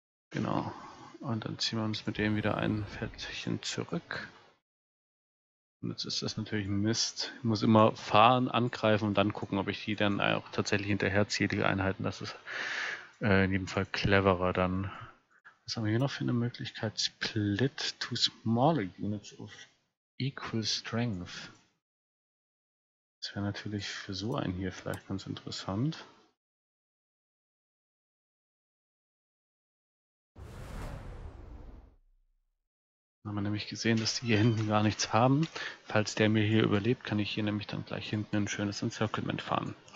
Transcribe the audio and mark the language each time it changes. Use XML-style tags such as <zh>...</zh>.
<de>Genau. Und dann ziehen wir uns mit dem wieder ein Fältchen zurück. Und jetzt ist das natürlich Mist. Ich muss immer fahren, angreifen und dann gucken, ob ich die dann auch tatsächlich hinterherziehe, die Einheiten. Das ist in jedem Fall cleverer dann. Was haben wir hier noch für eine Möglichkeit?</de> <en>Split to smaller units of equal strength.</en> <de>Das wäre natürlich für so einen hier vielleicht ganz interessant. Da haben wir nämlich gesehen, dass die hier hinten gar nichts haben. Falls der mir hier überlebt, kann ich hier nämlich dann gleich hinten ein schönes Encirclement fahren.</de>